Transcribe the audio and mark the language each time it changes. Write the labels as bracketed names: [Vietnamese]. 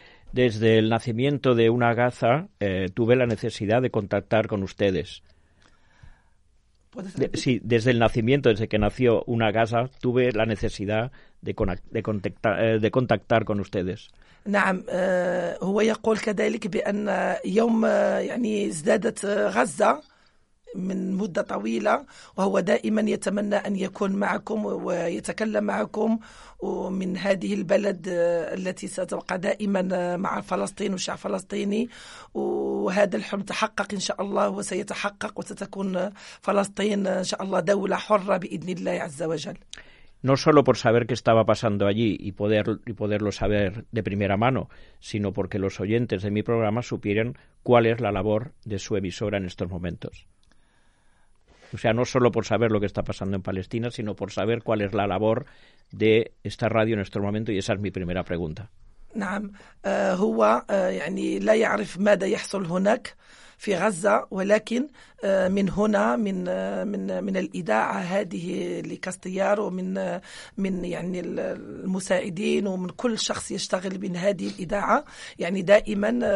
[Spanish] Desde el nacimiento de Una Gasa tuve la necesidad de contactar con ustedes. Sí, desde el nacimiento, desde que nació Una Gasa, tuve la necesidad de contactar con ustedes. [Arabic] نعم هو يقول كذلك بأن يوم يعني ازدادت غزة من مدة طويلة وهو دائما يتمنى أن يكون معكم ويتكلم معكم ومن هذه البلد التي ستبقى دائما مع فلسطين والشعب الفلسطيني وهذا الحلم تحقق إن شاء الله وسيتحقق وستكون فلسطين إن شاء الله دولة حرة بإذن الله عز وجل. [Spanish] No solo por saber qué estaba pasando allí y poderlo saber de primera mano, sino porque los oyentes de mi programa supieran cuál es la labor de su emisora en estos momentos. O sea, no solo por saber lo que está pasando en Palestina, sino por saber cuál es la labor de esta radio en este momento, y esa es mi primera pregunta. [Arabic] نعم هو يعني لا يعرف ماذا يحصل هناك في غزة، ولكن من هنا من من من الإذاعة هذه لكاستيار، ومن من يعني المساعدين ومن كل شخص يشتغل من هذه الإذاعة، يعني دائما